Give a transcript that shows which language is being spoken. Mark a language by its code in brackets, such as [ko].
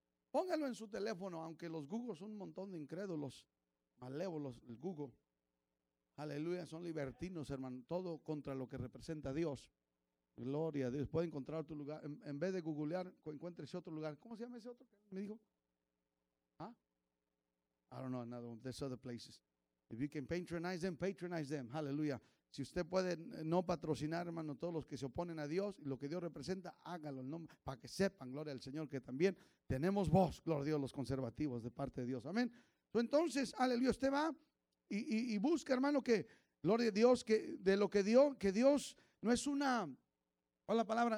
[es] Póngalo en su teléfono, aunque los Google son un montón de incrédulos, malévolos, el Google. Aleluya, son libertinos, hermano, todo contra lo que representa Dios. Gloria a Dios, puede encontrar otro lugar. En vez de googlear, encuéntrese otro lugar. ¿Cómo se llama ese otro que me dijo? [en] I don't know another one. There's other places. If you can patronize them, patronize them. Hallelujah. [es] Si usted puede no patrocinar, hermano, todos los que se oponen a Dios y lo que Dios representa, hágalo, ¿no? Para que sepan, gloria al Señor, que también tenemos voz, gloria a Dios, los conservativos de parte de Dios. Amén. Entonces, aleluya, usted va y busca, hermano, que, gloria a Dios, que de lo que Dios, no es una, ¿cuál es la palabra?